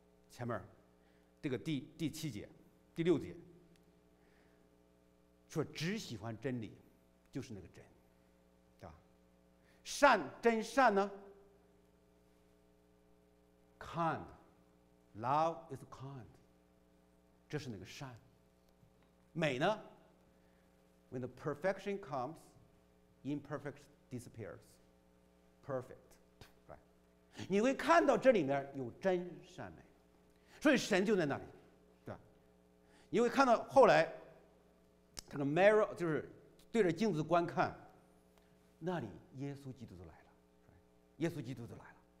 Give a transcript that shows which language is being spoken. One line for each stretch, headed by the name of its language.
Chinese: 前面这个第六节说只喜欢真理，就是那个真，对吧？善，真善呢 kind，
English: love is kind，
Chinese: 这是那个善。美呢
English: when the perfection comes imperfect disappears perfect、right.
Chinese: 你会看到这里面有真善美，所以神就在那里，对吧？你会看到后来这个 mirror 就是对着镜子观看，那里耶稣基督就来了，耶稣基督就来了。